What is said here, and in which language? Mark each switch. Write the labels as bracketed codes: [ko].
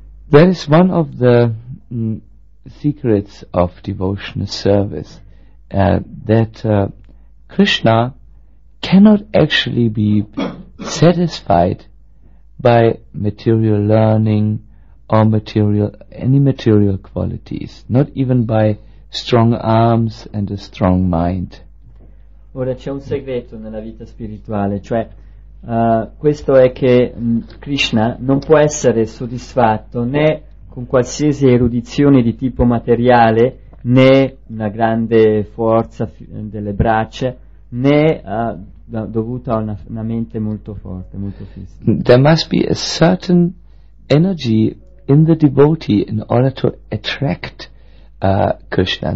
[en] That is one of the secrets of devotional service, that Krishna cannot actually be satisfied by material learning or any material qualities, not even by strong arms and a strong mind. [it] Ora c'è un segreto nella vita spirituale, cioè questo è che Krishna non può essere soddisfatto né con qualsiasi erudizione di tipo materiale, né una grande forza delle braccia, né dovuto a una mente molto forte, molto fissa. [en] There must be a certain energy in the devotee in order to attract Krishna.